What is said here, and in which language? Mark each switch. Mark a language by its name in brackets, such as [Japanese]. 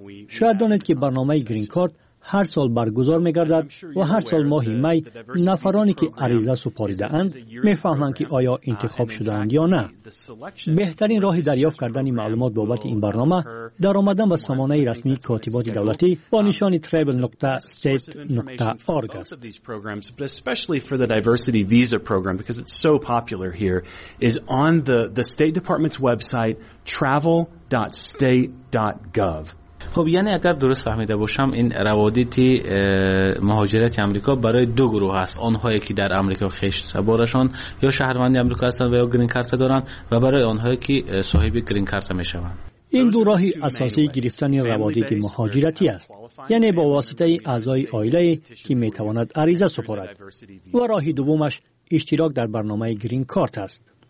[Persian] شاید دانید که برنامه گرین کارت هر سال برگزار می‌گردد و هر سال ماه می نفرانی که عریضه سپاریده اند می‌فهمند که آیا انتخاب شدند یا نه. بهترین راه دریافت کردن معلومات بابت این برنامه در آمدن به سامانه رسمی کاتبات دولتی با نشان travel.state.org است. [English] Especially for the diversity visa program because it's so popular here is on the State Department's website travel.state.gov. [Persian] خب یعنی اگر درست فهمیده باشم این روابط مهاجرت امریکا برای دو گروه است، آنهایی که در امریکا خشت بارشان یا شهروندی امریکا هستند و یا گرین کارت دارند و برای آنهایی که صاحب گرین کارت می شوند. این دو راه اساسی گرفتن روابط مهاجرتی است، یعنی با واسطه اعضای آیله که می تواند عریضه سپارد، و راه دومش اشتراک در برنامه گرین کارت است.